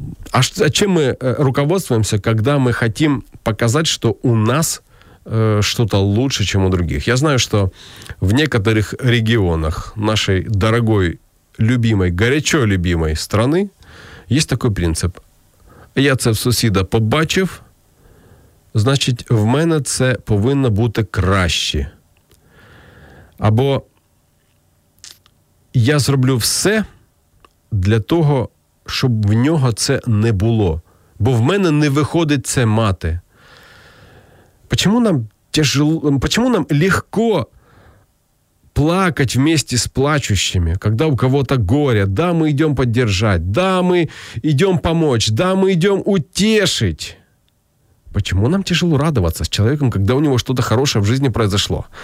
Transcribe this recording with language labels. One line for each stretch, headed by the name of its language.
Russian: А чем мы руководствуемся, когда мы хотим показать, что у нас что-то лучше, чем у других? Я знаю, что в некоторых регионах нашей дорогой, любимой, горячо любимой страны есть такой принцип.
Ukrainian: Я це в сусіда побачив, значить, в мене це повинно бути краще. Або я зроблю все для того, щоб в нього це не було. Бо в мене не виходить це мати.
Russian: Почему нам легко плакать вместе с плачущими, когда у кого-то горе? Да, мы идем поддержать, да, мы идем помочь, да, мы идем утешить. Почему нам тяжело радоваться с человеком, когда у него что-то хорошее в жизни произошло?